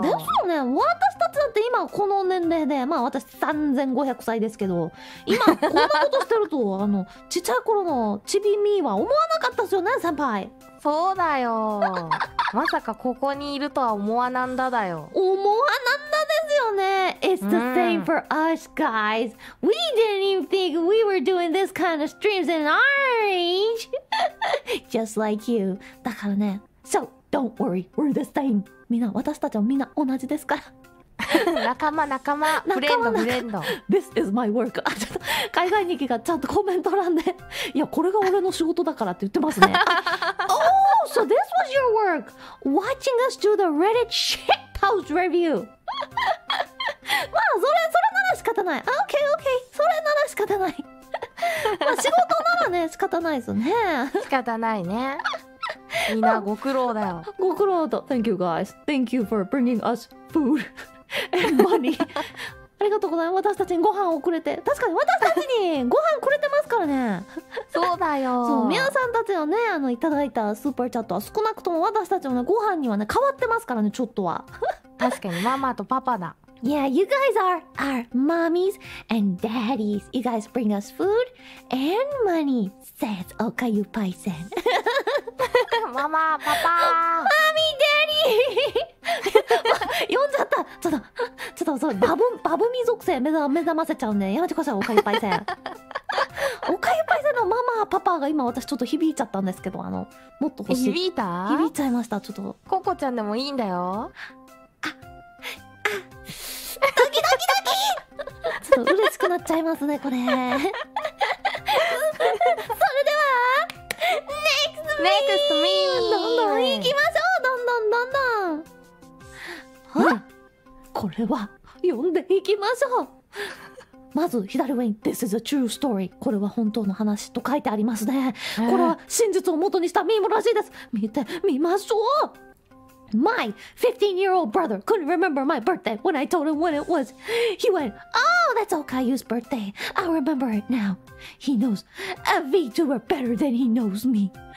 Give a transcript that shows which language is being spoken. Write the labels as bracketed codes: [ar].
[ja] でもね、私たちだって今この年齢で、まあ私3500歳ですけど、今こんなことしてると、あのちっちゃい頃のチビミーは思わなかったですよね、先輩。そうだよ。まさかここにいるとは思わなんだだよ。思わなんだですよね。 [en] It's the same for us guys. We didn't even think we were doing this kind of streams in our age. Just like you. [ja] だからね、 [en] So don't worry, we're the same. [ja] みんな、私たちはみんな同じですから。仲間仲間フレンドフレンド [en] This is my work [ja] 海外に行きがちゃんとコメント欄でいやこれが俺の仕事だからって言ってますね [en] Oh so this was your work watching us do the Reddit shit house review [ja] まあそれなら仕方ない [en] OK OK [ja] それなら仕方ないまあ仕事ならね仕方ないですね仕方ないねみんなご苦労だよご苦労だ [en] Thank you guys Thank you for bringing us foodAnd money. [ja] ありがとうございます。私たちにご飯をくれて、確かに私たちにご飯くれてますからね。そうだよ。そう、皆さんたちのね、あのいただいたスーパーチャットは少なくとも私たちのねご飯にはね変わってますからね、ちょっとは。確かにママとパパだ。 [en] Yeah, you guys are our mommies and daddies. You guys bring us food and money. Says Okayu Paisen. [ja] ママ、パパ。マミー、デリー。読んじゃった。ちょっと、そう、バブミ属性目覚ませちゃうね。やめてください、Okayu Paisen。Okayu Paisenのママ、パパが今私ちょっと響いちゃったんですけど、あの、もっと欲しい。響いた？響いちゃいました、ちょっと。ココちゃんでもいいんだよ。ドキドキドキちょっと嬉しくなっちゃいますね、これ。それでは、 [en] Next Me! Next Me! [ja] どんどん行きましょうどんどんどんどんは、うん、これは、読んでいきましょうまず、左上に、 [en] This is a true story. [ja] これは本当の話と書いてありますね。これは真実を元にしたミームらしいです。見てみましょう。 [en] My 15-year-old brother couldn't remember my birthday when I told him when it was. He went, Oh, that's Okayu's birthday. I'll remember it now. He knows a VTuber better than he knows me.